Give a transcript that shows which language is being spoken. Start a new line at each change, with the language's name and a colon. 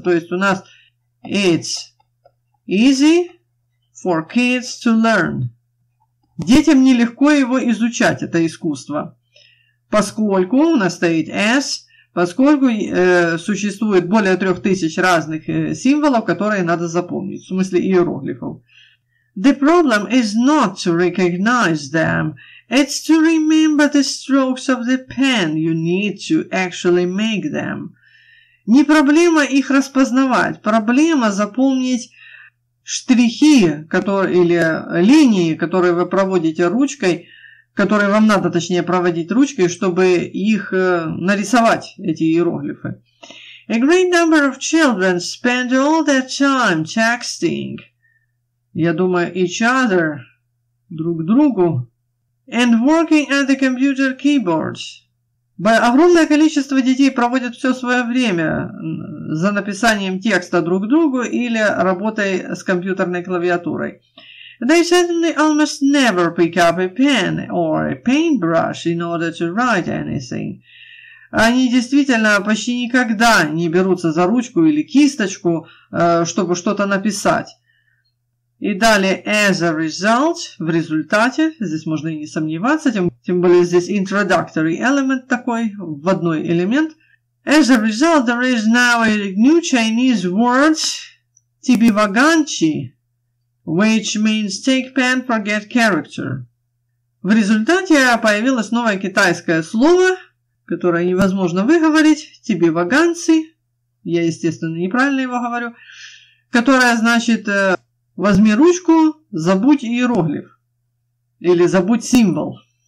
Russian: То есть у нас
English: it's easy for kids to learn.
Russian: Детям нелегко его изучать, это искусство. Поскольку у нас стоит
English: as,
Russian: поскольку существует более 3000 разных символов, которые надо запомнить, в смысле иероглифов.
English: The problem is not to recognize them. It's to remember the strokes of the pen. You need to actually make them.
Russian: Не проблема их распознавать. Проблема запомнить штрихи, которые, или линии, которые вы проводите ручкой, которые вам надо, точнее, проводить ручкой, чтобы их нарисовать, эти иероглифы.
English: A great number of children spend all their time texting.
Russian: Я думаю,
English: each other,
Russian: друг другу.
English: And working at the computer keyboards.
Russian: Огромное количество детей проводят все свое время за написанием текста друг другу или работой с компьютерной клавиатурой.
English: They certainly almost never pick up a pen or a paintbrush in order to write anything.
Russian: Они действительно почти никогда не берутся за ручку или кисточку, чтобы что-то написать. И далее,
English: as a result,
Russian: в результате, здесь можно и не сомневаться, тем более здесь
English: introductory element
Russian: такой, вводной элемент.
English: As a result, there is now a new Chinese word, tibivaganchi, which means take pen, forget character.
Russian: В результате появилось новое китайское слово, которое невозможно выговорить, tibivaganchi, я, естественно, неправильно его говорю, которое значит... Возьми ручку, забудь иероглиф. Или забудь символ.